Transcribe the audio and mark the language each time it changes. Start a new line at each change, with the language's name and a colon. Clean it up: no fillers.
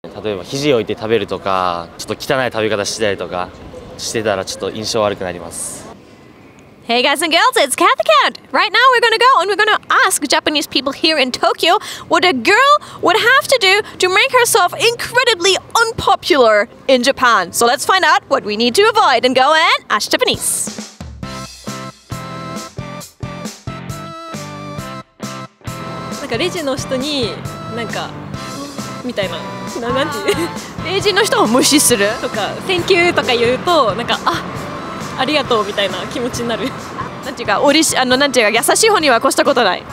Japanese: えば肘置いて食べるとか、ちょっと汚い食べ方したりとかしてたらちょっと印象悪くなります。
English: Hey guys and girls, it's Cat the Cat. Right now we're gonna go and we're gonna ask Japanese people here in Tokyo what a girl would have to do to make herself incredibly unpopular in Japan. So let's find out what we need to avoid and go and ask Japanese.
Japanese: なんかレジの人に、なんかみたいな、なんていうレジの人を無視するとか、
English: Thank you
Japanese: とか言うと、なんか、ありがとうみたいな気持ちになる。なんていうか、おりし、あの、なんていうか、優しい方には越したことない。